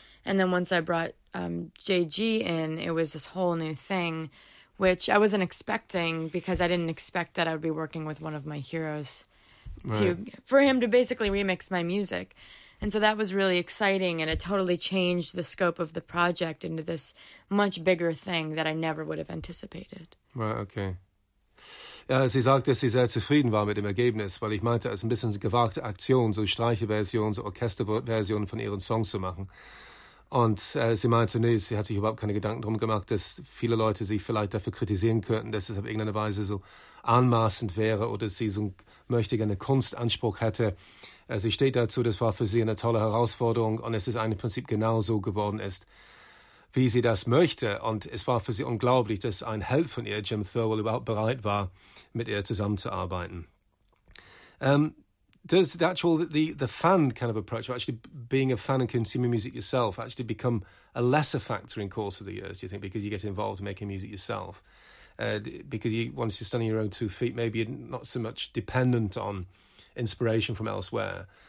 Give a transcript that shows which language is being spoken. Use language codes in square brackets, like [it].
[en] And then once I brought JG in, it was this whole new thing, which I wasn't expecting, because I didn't expect that I'd be working with one of my heroes for him to basically remix my music. And so that was really exciting, and it totally changed the scope of the project into this much bigger thing that I never would have anticipated. Right, okay. [de] Ja, sie sagt, dass sie sehr zufrieden war mit dem Ergebnis, weil ich meinte, es ist ein bisschen gewagte Aktion, so Streicherversionen, so Orchesterversionen von ihren Songs zu machen. Und sie meinte, nee, sie hat sich überhaupt keine Gedanken darum gemacht, dass viele Leute sie vielleicht dafür kritisieren könnten, dass es auf irgendeine Weise so anmaßend wäre oder sie so möchte gerne Kunstanspruch hätte. Sie steht dazu, das war für sie eine tolle Herausforderung, und es ist im Prinzip genau so geworden ist, wie sie das möchte. Und es war für sie unglaublich, dass ein Held von ihr, Jim Thirlwell, überhaupt bereit war, mit ihr zusammenzuarbeiten. [en] Does the actual the fan kind of approach, of actually being a fan and consuming music yourself, actually become a lesser factor in course of the years, do you think, because you get involved in making music yourself? Because you, once you're standing on your own two feet, maybe you're not so much dependent on inspiration from elsewhere.